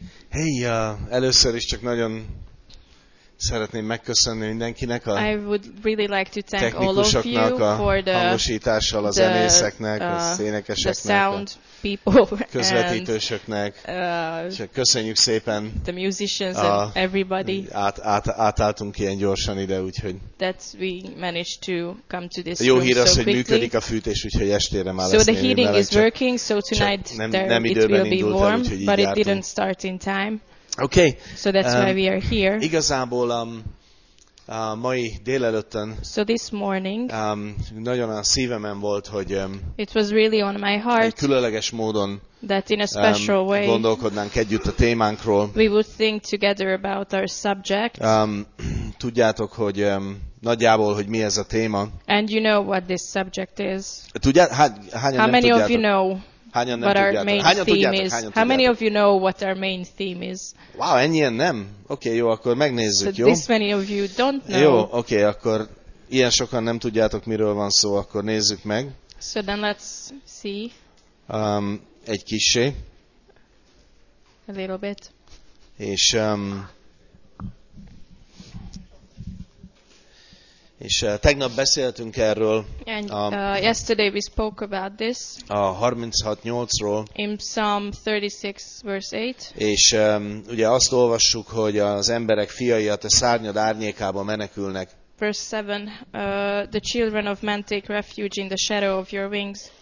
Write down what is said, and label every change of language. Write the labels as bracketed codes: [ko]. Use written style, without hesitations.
[hu] Hey, először is csak nagyon szeretném megköszönni mindenkinek a [en] I would really like to thank all of you for the [hu] hangosítással, az zenészeknek, az énekeseknek, [en] the sound people, [hu] közvetítősöknek. Csak köszönjük szépen. [en] The musicians and everybody. [hu] Átálltunk ilyen gyorsan ide, úgyhogy. [en] That we managed to come to this room so quickly. [hu] Jó hír az, hogy működik a fűtés, úgyhogy estére már lesz. [en] So the heating is working, so tonight [hu] nem időben [en] it will be warm, but it didn't start in time. Okay. So that's why we are here. [hu] Igazából a mai délelőttön. [en] So this morning. [hu] Nagyon a szívemen volt, hogy. [en] It was really on my heart. [hu] Egy különleges módon. [en] That in a special way. [hu] Gondolkodnánk együtt a témánkról. [en] We would think together about our subject. [hu] Tudjátok, hogy nagyjából, hogy mi ez a téma. [en] And you know what this subject is. [hu] Tudjátok? [en] How many of you know? [hu] Hányan [en] what our [hu] tudjátok? [en] Main [hu] hányan [en] theme [hu] tudjátok? [en] Is. How many of you know what our main theme is? [hu] Wow, ennyien nem? Oké, okay, jó, akkor megnézzük, [en] so [hu] jó? [en] This many of you don't know. [hu] Jó, oké, okay, akkor ilyen sokan nem tudjátok, miről van szó, akkor nézzük meg. [en] So then let's see. [hu] Egy kissé. [en] A little bit. [hu] És és tegnap beszéltünk erről. [en] And, yesterday we spoke about this. [hu] A 36:8-ról. [en] In Psalm 36 verse 8. [hu] És ugye azt olvassuk, hogy az emberek fiai a te szárnyad árnyékába menekülnek. [en] Verse 7. The children of men take refuge in the shadow of your wings.